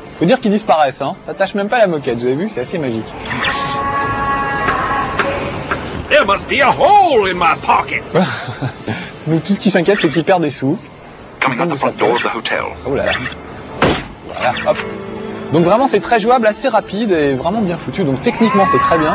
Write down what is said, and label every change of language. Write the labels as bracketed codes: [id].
[fr] Faut dire qu'ils disparaissent, hein. Ça tâche même pas la moquette, vous avez vu, c'est assez magique. [en] There must be a hole in my pocket. [fr] Donc tout ce qui s'inquiète, c'est qu'il perd des sous. [en] Coming out the front door of the hotel. [fr] Oh là là. Voilà, hop. Donc vraiment, c'est très jouable, assez rapide et vraiment bien foutu. Donc techniquement, c'est très bien.